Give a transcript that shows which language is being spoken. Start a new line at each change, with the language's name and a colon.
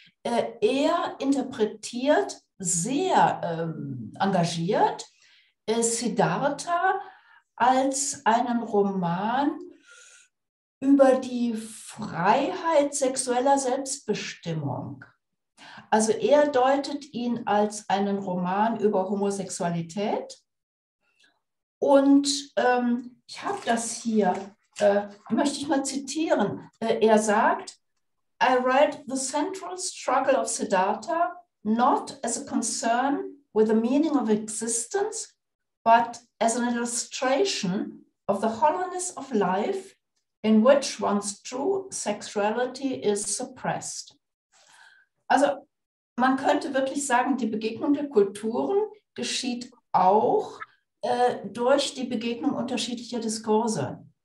German: Er interpretiert sehr engagiert Siddhartha als einen Roman über die Freiheit sexueller Selbstbestimmung. Also er deutet ihn als einen Roman über Homosexualität. Und ich habe das hier, möchte ich mal zitieren. Er sagt,
English: I write the central struggle of Siddhartha not as a concern with the meaning of existence, but as an illustration of the hollowness of life in which one's true sexuality is suppressed.
German: Also man könnte wirklich sagen, die Begegnung der Kulturen geschieht auch durch die Begegnung unterschiedlicher Diskurse.